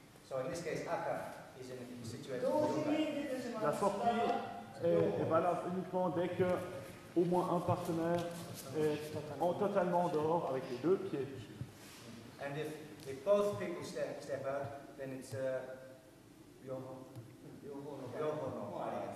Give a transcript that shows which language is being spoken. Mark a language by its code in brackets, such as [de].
[en] So in this case, Aka is in a situation. [fr] La sortie est valable uniquement dès que au moins un partenaire est en totalement dehors avec les deux pieds. [en] And if both people step out, then it's a yoho no kai.